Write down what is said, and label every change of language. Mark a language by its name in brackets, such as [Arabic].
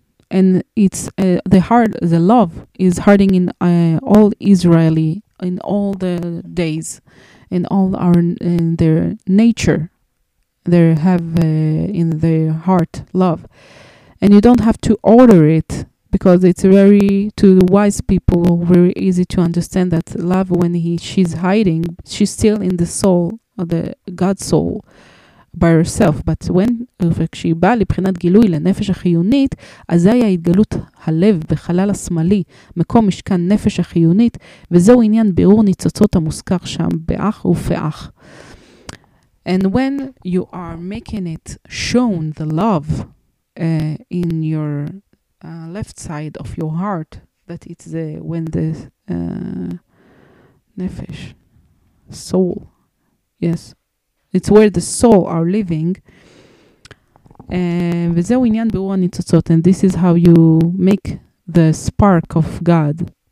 [English] and it's the heart, the love is hurting in all Israeli, in all the days, in all our in their nature, they have in their heart love, and you don't have to order it, because it's very, to the wise people, very easy to understand that love, when she's hiding, she's still in the soul, the God soul, by herself. [Hebrew] But when כשהיא באה לבחינת גילוי לנפש החיונית, אזי ההתגלות הלב בחלל השמאלי, מקום משכן נפש החיונית, וזהו עניין בירור ניצוצות המוזכר שם, באח ופאח. [English] And when you are making it shown the love in your left side of your heart, that it's the, when the nefesh, soul, yes, it's where the soul are living, [Hebrew] וזהו עניין ברור הניצוצות, [English] and this is how you make the spark of God.